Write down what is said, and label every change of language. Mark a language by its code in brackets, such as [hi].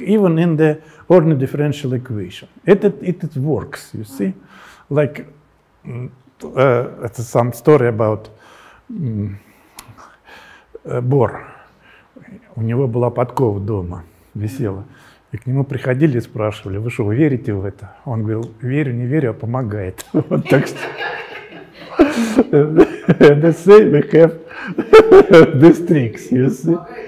[en] even in the ordinary differential equation, it works. You see, like it's some story about Бор. [ru] У него была подкова дома, висела. И к нему приходили и спрашивали: вы что, вы верите в это? Он говорил: верю, не верю, а помогает. Вот так что. [en] The same we have this tricks, you see.